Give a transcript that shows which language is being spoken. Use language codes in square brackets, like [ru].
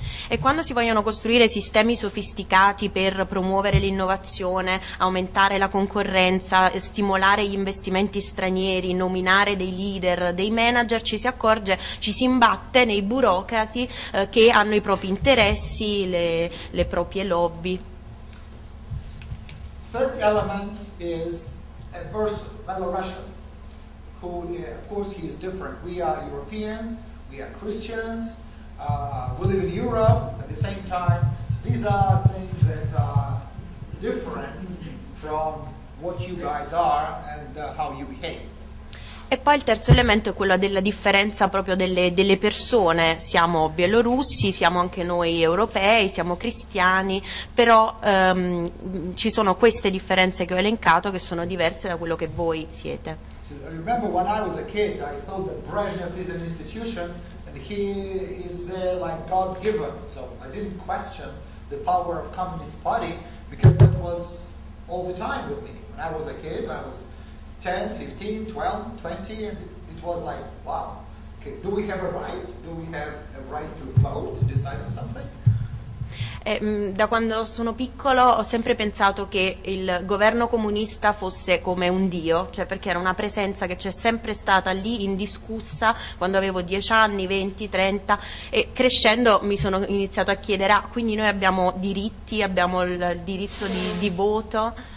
[it] E quando si vogliono costruire sistemi sofisticati per promuovere l'innovazione, aumentare la concorrenza, stimolare gli investimenti stranieri, nominare dei leader, dei manager, ci si accorge, ci si imbatte nei burocrati che hanno i propri interessi, le proprie lobby. [en] Third element is adverse Belarusian, who of course he is different. We are Europeans, we are Christians, we live in Europe at the same time. These are things that are different from what you guys are and how you behave. [it] E poi il terzo elemento è quello della differenza proprio delle persone. Siamo bielorussi, siamo anche noi europei, siamo cristiani, però ci sono queste differenze che ho elencato che sono diverse da quello che voi siete. [en] So, I remember when I was a kid, I thought that Brezhnev is an institution and he is there like God given. So I didn't question the power of Communist Party because that was all the time with me. When I was a kid, I was 10, 15, 12, 20, and it was like, wow, okay, do we have a right? Do we have a right to vote, to decide on something? [it] Da quando sono piccolo ho sempre pensato che il governo comunista fosse come un dio, cioè perché era una presenza che c'è sempre stata lì indiscussa quando avevo 10 anni, 20, 30 e crescendo mi sono iniziato a chiedere, ah, quindi noi abbiamo diritti, abbiamo il diritto di voto.